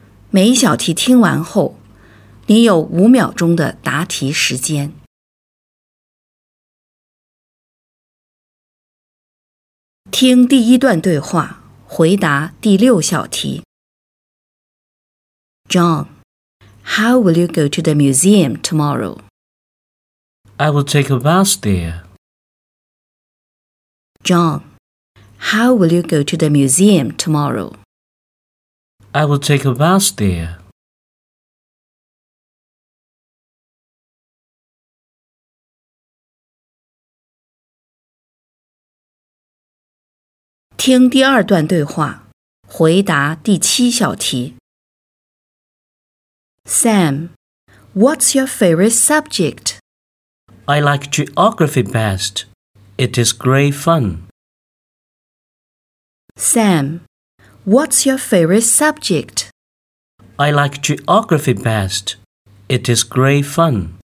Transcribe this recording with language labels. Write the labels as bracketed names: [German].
[Chinese] 每小题听完后，你有五秒钟的答题时间。听第一段对话，回答第六小题。 [English] John, how will you go to the museum tomorrow? I will take a bus there. John, how will you go to the museum tomorrow? I will take a bus there. [Chinese] 听第二段对话，回答第七小题。 [English] Sam, what's your favorite subject? I like geography best. It is great fun. Sam, what's your favorite subject? I like geography best. It is great fun.